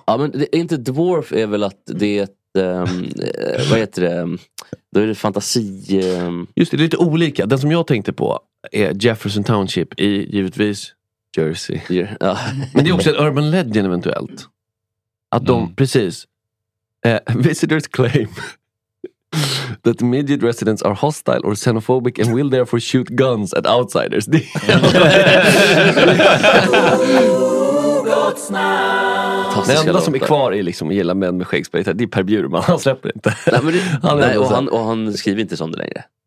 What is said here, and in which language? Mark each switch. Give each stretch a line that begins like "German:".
Swedish: Ja, men det är inte dwarf är väl att det är vad heter det? Då är det fantasi. Just det, det är lite olika. Den som jag tänkte på är Jefferson Township i givetvis Jersey. Ja. Men det är också en urban legend eventuellt. Att de, precis.
English: Visitors claim that midget residents are hostile or xenophobic and will therefore shoot guns at outsiders.
Swedish: Det enda som är kvar är liksom att gilla män med skäggspröjt. Det är Per Bjurman, han släpper inte. Nej, men det, han nej, och han skriver inte sånt längre.